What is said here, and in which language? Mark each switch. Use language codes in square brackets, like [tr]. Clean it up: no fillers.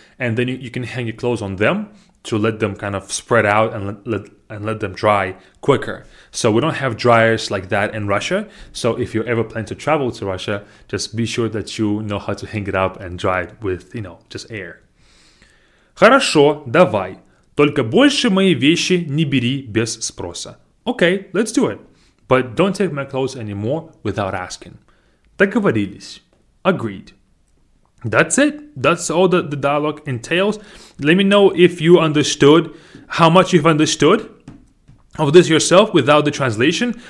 [en] And then you can hang your clothes on them to let them kind of spread out and let them dry quicker. So we don't have dryers like that in Russia. So if you ever plan to travel to Russia, just be sure that you know how to hang it up and dry it with, you know, just air. [ru] Хорошо, давай. Только больше мои вещи не бери без спроса. [en] Okay, let's do it. But don't take my clothes anymore without asking. [ru] Договорились. [en] Agreed. That's it. That's all that the dialogue entails. Let me know if you understood, how much you've understood of this yourself without the translation.